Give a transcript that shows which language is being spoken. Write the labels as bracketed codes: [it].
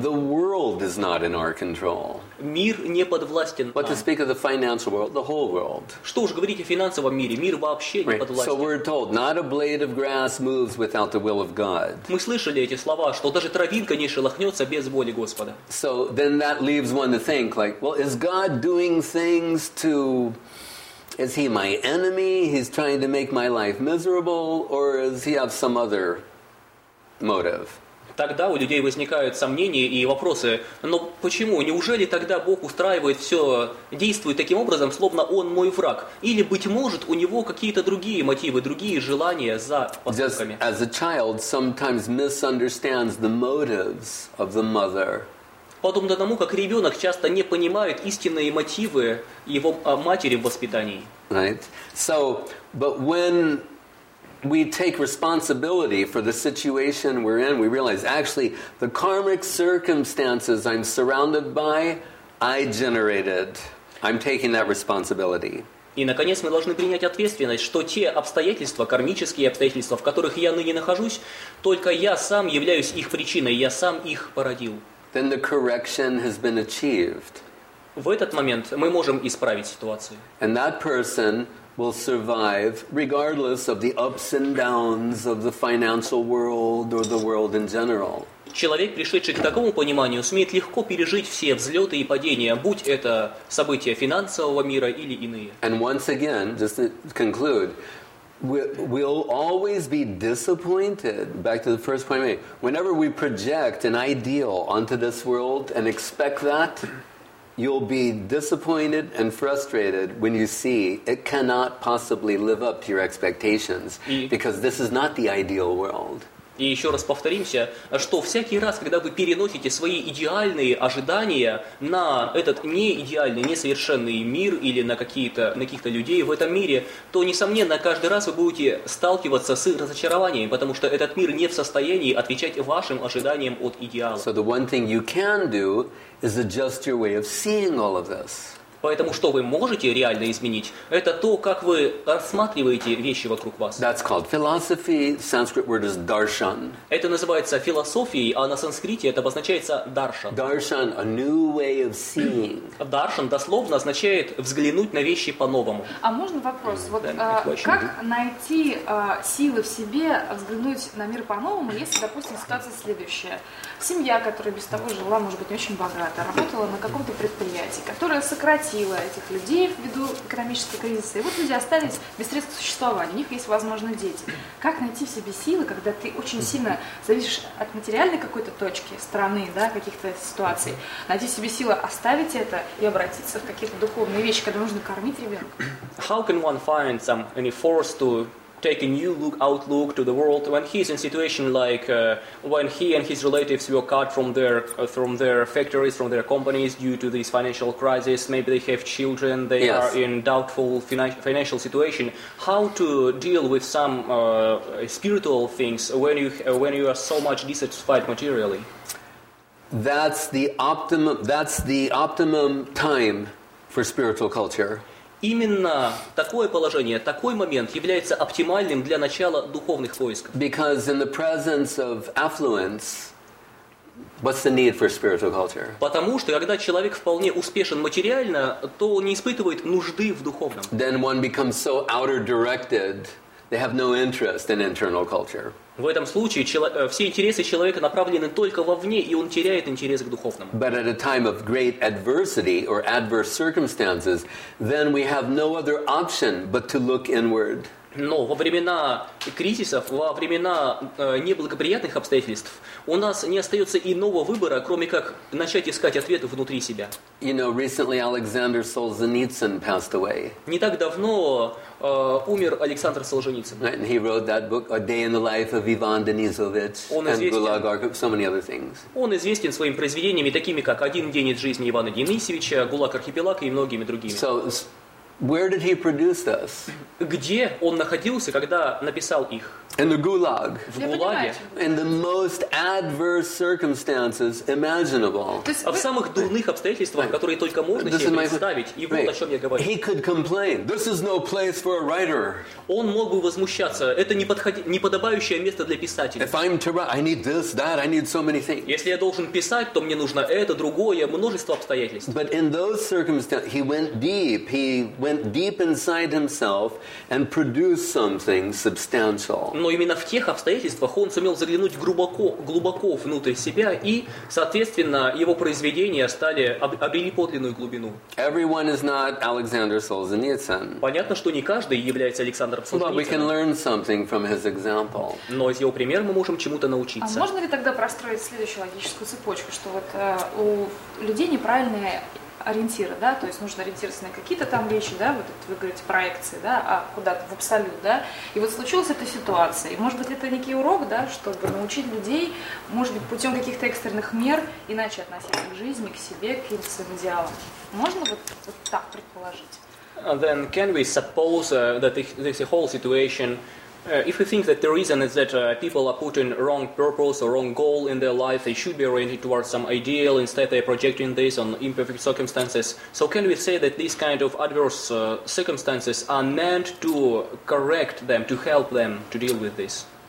[en] The world is not in our control. [ru] Мир не подвластен нам. [en] But to speak of the financial world, the whole world. [ru] Что уж говорить о финансовом мире, мир вообще не подвластен. [en] So we're told, not a blade of grass moves without the will of God. [ru] Мы слышали эти слова, что даже травинка не шелохнется без воли Господа. [en] So then that leaves one to think, like, well, is God doing things to... Is he my enemy? He's trying to make my life miserable, or does he have some other motive? [ru] Тогда у людей возникают сомнения и вопросы. Но почему? Неужели тогда Бог устраивает все, действует таким образом, словно он мой враг? Или быть может у него какие-то другие мотивы, другие желания за поступками? [en] As a child, sometimes misunderstands the motives of the mother. [ru] Подобно тому, как ребенок часто не понимает истинные мотивы его матери в воспитании. [en] Right. So, but when we take responsibility for the situation we're in, we realize actually the karmic circumstances I'm surrounded by, I generated. I'm taking that responsibility. [ru] И, наконец, мы должны принять ответственность, что те обстоятельства, кармические обстоятельства, в которых я ныне нахожусь, только я сам являюсь их причиной, я сам их породил. [en] Then the correction has been achieved. [ru] В этот момент мы можем исправить ситуацию. [en] And that person will survive regardless of the ups and downs of the financial world or the world in general. [ru] Человек, пришедший к такому пониманию, сумеет легко пережить все взлеты и падения, будь это события финансового мира или иные. [en] And once again, just to conclude, we'll always be disappointed, back to the first point I made, whenever we project an ideal onto this world and expect that, you'll be disappointed and frustrated when you see it cannot possibly live up to your expectations, because this is not the ideal world. [ru] И еще раз повторимся, что всякий раз, когда вы переносите свои идеальные ожидания на этот неидеальный, несовершенный мир или на каких-то людей в этом мире, то, несомненно, каждый раз вы будете сталкиваться с разочарованием, потому что этот мир не в состоянии отвечать вашим ожиданиям от идеала. [en] So the one thing you can do is adjust your way of seeing all of this. [ru] Поэтому, что вы можете реально изменить, это то, как вы рассматриваете вещи вокруг вас. [en] That's called philosophy. Sanskrit word is darshan. [ru] Это называется философией, а на санскрите это обозначается darshan. [en] Darshan, a new way of seeing. [ru] Darshan дословно означает взглянуть на вещи по-новому. А можно вопрос? Вот, как найти силы в себе взглянуть на мир по-новому, если, допустим, ситуация следующая? Семья, которая без того жила, может быть, не очень богата, работала на каком-то предприятии, которое сократило этих людей ввиду экономического кризиса. И вот люди остались без средств существования, у них есть, возможно, дети. Как найти в себе силы, когда ты очень сильно зависишь от материальной какой-то точки, страны, да, каких-то ситуаций? Найти в себе силы оставить это и обратиться в какие-то духовные вещи, когда нужно кормить ребенка? [en] How can one find some any force to take a new look, outlook to the world when he's in a situation like when he and his relatives were cut from their factories, from their companies due to this financial crisis. Maybe they have children, they yes. are in doubtful financial situation. How to deal with some spiritual things when you are so much dissatisfied materially? That's the optimum time for spiritual culture. [ru] Именно такое положение, такой момент является оптимальным для начала духовных поисков. [en] Because in the presence of affluence, what's the need for spiritual culture? [ru] Потому что когда человек вполне успешен материально, то он не испытывает нужды в духовном. [en] Then one becomes so outer-directed, they have no interest in internal culture. [ru] В этом случае все интересы человека направлены только вовне, и он теряет интерес к духовному. [en] But at a time of great adversity or adverse circumstances, then we have no other option but to look inward. [ru] Но во времена кризисов, во времена неблагоприятных обстоятельств, у нас не остается иного выбора, кроме как начать искать ответы внутри себя. [en] You know, recently Alexander Solzhenitsyn passed away. [ru] Не так давно умер Александр Солженицын. [en] Right, and he wrote that book, A Day in the Life of Ivan Denisovich and Gulag Arkhipov, so many other things. [ru] Он известен своими произведениями, такими как «Один день из жизни Ивана Денисовича», «Гулаг Архипелаг» и многими другими. [en] So, where did he produce this? [ru] Где он находился, когда написал их? [en] In the Gulag. [ru] В Гулаге. [en] In the most adverse circumstances imaginable. [ru] А в самых дурных обстоятельствах, которые только можно себе представить, и вот о чем я говорю. [en] He could complain. This is no place for a writer. [ru] Он мог бы возмущаться. Это неподобающее место для писателя. [en] If I'm to write, I need this, that, I need so many things. [ru] Если я должен писать, то мне нужно это, другое, множество обстоятельств. [en] But in those circumstances, he went deep. He went deep inside himself and produced something substantial. [ru] Но именно в тех обстоятельствах он сумел заглянуть глубоко, глубоко внутрь себя, и, соответственно, его произведения стали обрели подлинную глубину. [en] Everyone is not Alexander Solzhenitsyn. [ru] Понятно, что не каждый является Александром Солженицыным. [en] But we can learn something from his example. [ru] Но из его примера мы можем чему-то научиться. А можно ли тогда простроить следующую логическую цепочку, что вот у людей неправильные ориентиры, да, то есть нужно ориентироваться на какие-то там вещи, да, вот вы говорите проекции, да, а куда-то в абсолют, да, и вот случилась эта ситуация, и может быть это некий урок, да, чтобы научить людей, может быть, путем каких-то экстренных мер иначе относиться к жизни, к себе, к каким-то своим идеалам. Можно вот так предположить? [en] And then can we suppose that this whole situation, if you think that the reason is that people are putting wrong purpose or wrong goal in their life, they should be oriented towards some ideal, instead they are projecting this on imperfect circumstances. So can we say that these kind of adverse circumstances are meant to correct them, to help them to deal with this?